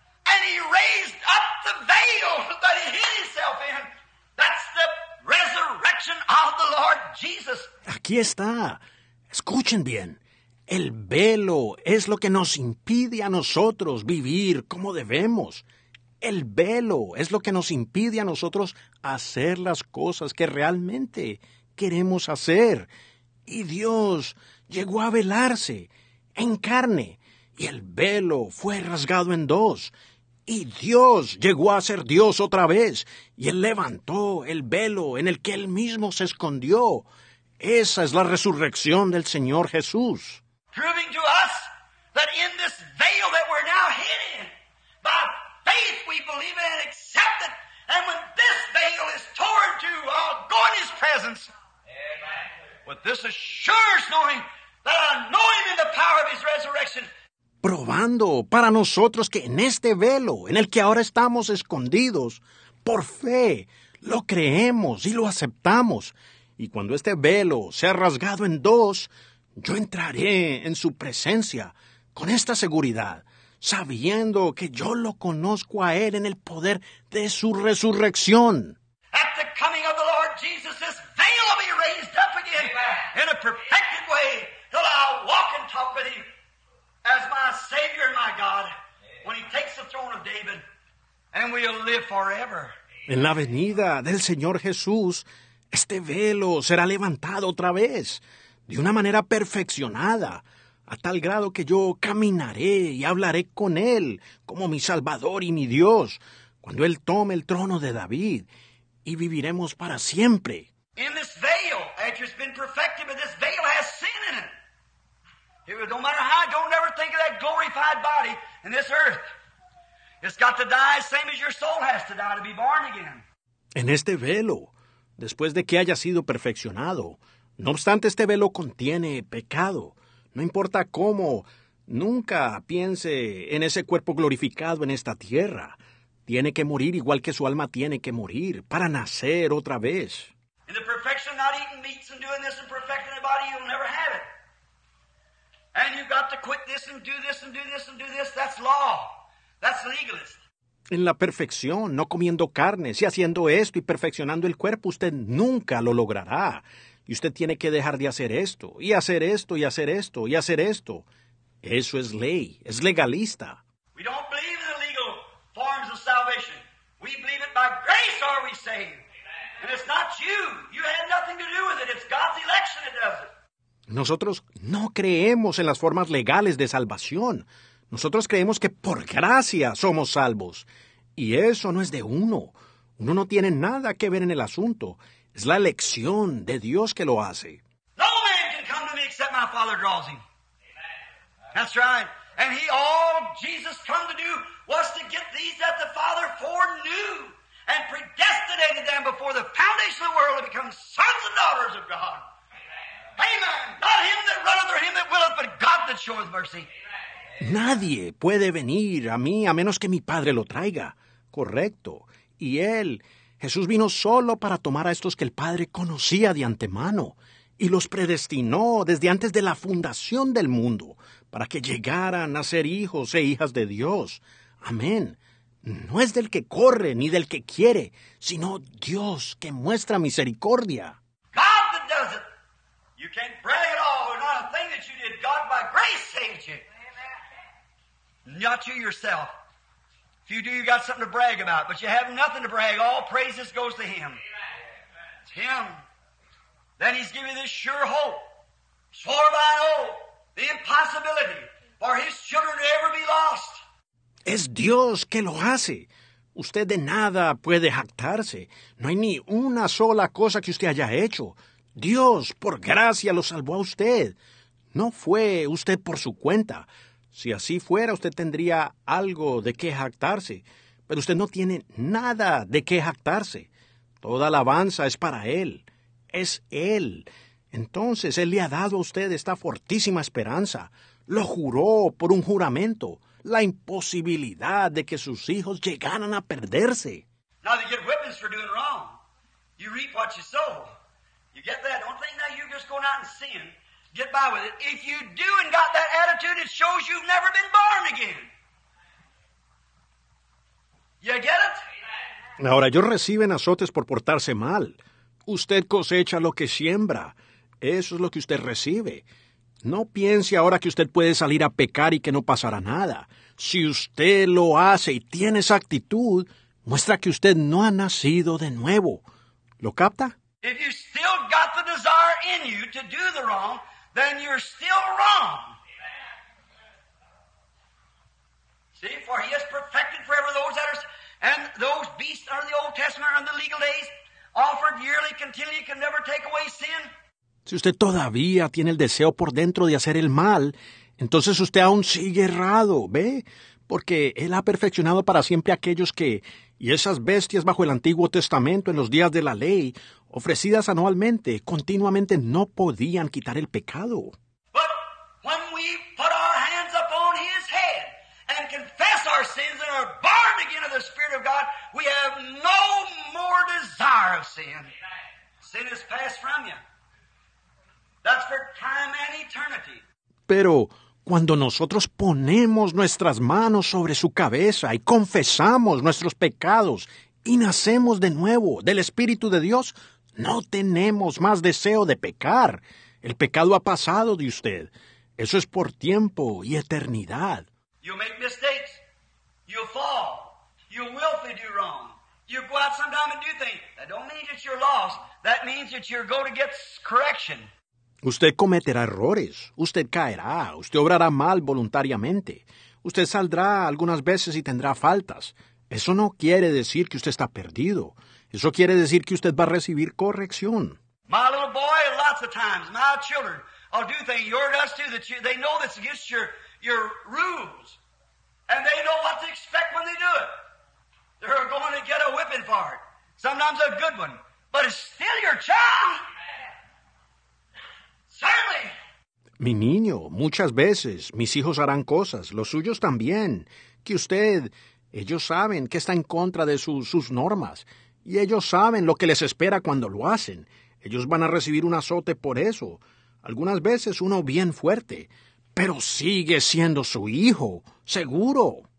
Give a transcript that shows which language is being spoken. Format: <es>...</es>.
<en>And he raised up the veil that he hid himself in. That's the resurrection of the Lord Jesus.</en> <es>Aquí está. Escuchen bien. El velo es lo que nos impide a nosotros vivir como debemos. El velo es lo que nos impide a nosotros hacer las cosas que realmente queremos hacer. Y Dios llegó a velarse en carne, y el velo fue rasgado en dos. Y Dios llegó a ser Dios otra vez, y Él levantó el velo en el que Él mismo se escondió. Esa es la resurrección del Señor Jesús.</es> <en>Proving to us that in this veil that we're now hid in, by faith we believe it and accept it. And when this veil is torn to, I'll go in his presence. Amen. With this assurance knowing that I know him in the power of his resurrection.</en> <es>Probando para nosotros que en este velo en el que ahora estamos escondidos, por fe, lo creemos y lo aceptamos. Y cuando este velo sea rasgado en dos, yo entraré en su presencia con esta seguridad, sabiendo que yo lo conozco a Él en el poder de su resurrección.</es> <en>At the coming of the Lord Jesus, this veil will be raised up again. Amen. In a perfected way. Till I walk and talk with Him as my Savior and my God. Amen. When He takes the throne of David, and we'll live forever.</en> <es>En la venida del Señor Jesús, este velo será levantado otra vez. De una manera perfeccionada, a tal grado que yo caminaré y hablaré con Él como mi Salvador y mi Dios, cuando Él tome el trono de David, y viviremos para siempre.</es> <en>In this veil, after it's been perfected, but this veil has sin in it. It don't matter how, don't ever think of that glorified body in this earth. It's got to die same as your soul has to die to be born again.</en> <es>En este velo, después de que haya sido perfeccionado, no obstante, este velo contiene pecado. No importa cómo, nunca piense en ese cuerpo glorificado en esta tierra. Tiene que morir igual que su alma tiene que morir para nacer otra vez.</es> <en>In the perfection of not eating meats and doing this and perfecting the body, you'll never have it. And you've got to quit this and do this and do this and do this. That's law. That's legalist.</en> <es>En la perfección, no comiendo carne, si haciendo esto y perfeccionando el cuerpo, usted nunca lo logrará. Y usted tiene que dejar de hacer esto, y hacer esto, y hacer esto, y hacer esto. Eso es ley, es legalista.</es> <en>We don't believe in the legal forms of salvation. We believe it by grace are we saved. Amen. And it's not you. You had nothing to do with it. It's God's election that does it.</en> <es>Nosotros no creemos en las formas legales de salvación. Nosotros creemos que por gracia somos salvos. Y eso no es de uno. Uno no tiene nada que ver en el asunto. Es la elección de Dios que lo hace.</es> <en>No man can come to me except my Father draws him. Amen. That's right. And he, all Jesus come to do was to get these that the Father foreknew and predestinated them before the foundation of the world to become sons and daughters of God. Amen. Amen. Not him that runneth or him that willeth, but God that showeth mercy. Amen.</en> <es>Nadie puede venir a mí a menos que mi Padre lo traiga. Correcto. Y él Jesús vino solo para tomar a estos que el Padre conocía de antemano y los predestinó desde antes de la fundación del mundo para que llegaran a ser hijos e hijas de Dios. Amén. No es del que corre ni del que quiere, sino Dios que muestra misericordia.</es> <en>God that does it. You can't pray at all or not a thing that you did. God by grace saved you. Not you yourself. If you do, you got something to brag about, but you have nothing to brag. All praises goes to Him. Amen. It's Him. Then He's given you this sure hope, swore by an oath, the impossibility for His children to ever be lost.</en> <es>Es Dios que lo hace. Usted de nada puede jactarse. No hay ni una sola cosa que usted haya hecho. Dios, por gracia, lo salvó a usted. No fue usted por su cuenta. Si así fuera, usted tendría algo de qué jactarse, pero usted no tiene nada de qué jactarse. Toda alabanza es para Él. Es Él. Entonces, Él le ha dado a usted esta fortísima esperanza. Lo juró por un juramento, la imposibilidad de que sus hijos llegaran a perderse.</es> <en>Now they get weapons for doing wrong. You reap what you sow. You get that? Don't think that you're just going out and sin. Get by with it. If you do and got that attitude, it shows you've never been born again. You get it?</en> <es>Ahora, ellos reciben azotes por portarse mal. Usted cosecha lo que siembra. Eso es lo que usted recibe. No piense ahora que usted puede salir a pecar y que no pasará nada. Si usted lo hace y tiene esa actitud, muestra que usted no ha nacido de nuevo. ¿Lo capta?</es> <en>If you still got the desire in you to do the wrong, then you're still wrong. Amen. See, for He has perfected forever those that are, and those beasts under the Old Testament are in the legal days, offered yearly, continually, can never take away sin.</en> <es>Si usted todavía tiene el deseo por dentro de hacer el mal, entonces usted aún sigue errado, ¿ve? Porque Él ha perfeccionado para siempre aquellos que, y esas bestias bajo el Antiguo Testamento en los días de la ley, ofrecidas anualmente, continuamente no podían quitar el pecado.</es> <en>But when we put our hands upon His head and confess our sins and are born again of the Spirit of God, we have no more desire of sin. Sin is passed from you. That's for time and eternity.</en> <es>Pero cuando nosotros ponemos nuestras manos sobre su cabeza y confesamos nuestros pecados y nacemos de nuevo del Espíritu de Dios, no tenemos más deseo de pecar. El pecado ha pasado de usted. Eso es por tiempo y eternidad.</es> <en>You make mistakes. You fall. You willfully do wrong. You go out sometime and do things. That don't mean that you're lost. That means that you're going to get correction.</en> <es>Usted cometerá errores. Usted caerá. Usted obrará mal voluntariamente. Usted saldrá algunas veces y tendrá faltas. Eso no quiere decir que usted está perdido. Eso quiere decir que usted va a recibir corrección.</es> <en>My little boy, lots of times, my children, I'll do things, your dust too, that you, they know that's against your rules. And they know what to expect when they do it. They're going to get a whipping for it. Sometimes a good one. But it's still your child.</en> <es>Mi niño, muchas veces mis hijos harán cosas, los suyos también, que usted, ellos saben que está en contra de sus normas, y ellos saben lo que les espera cuando lo hacen. Ellos van a recibir un azote por eso, algunas veces uno bien fuerte, pero sigue siendo su hijo, seguro.</es>